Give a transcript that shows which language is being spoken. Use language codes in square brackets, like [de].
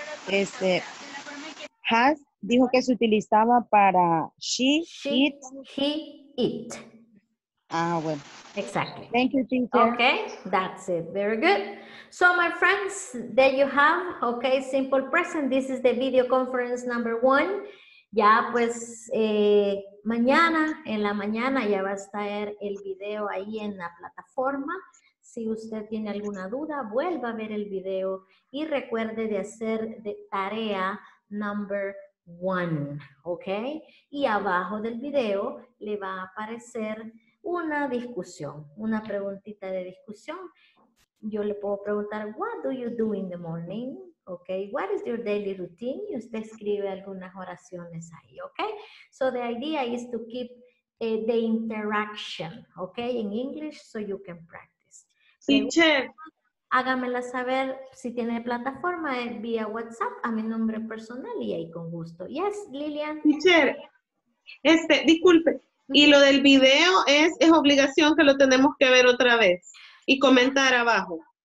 [es] Este, has, dijo que se utilizaba para she it. [en] He, it. [es] Ah, bueno. [en] Exactly. Thank you, teacher. Okay, that's it. Very good. So, my friends, there you have, okay, simple present. This is the video conference number one. [es] Ya, pues, mañana, en la mañana, ya va a estar el video ahí en la plataforma. Si usted tiene alguna duda, vuelva a ver el video y recuerde de hacer de tarea number one, okay? Y abajo del video le va a aparecer una discusión, una preguntita de discusión. [en] Yo le puedo preguntar, what do you do in the morning? Okay, what is your daily routine? [es] Y usted escribe algunas oraciones ahí, okay? [en] So the idea is to keep the interaction, okay, in English so you can practice. Teacher. [es] Hágamela saber si tiene plataforma vía WhatsApp a mi nombre personal y ahí con gusto. [en] Yes, Lilian. [es] Teacher, este, disculpe. Y lo del video es obligación que lo tenemos que ver otra vez y comentar abajo.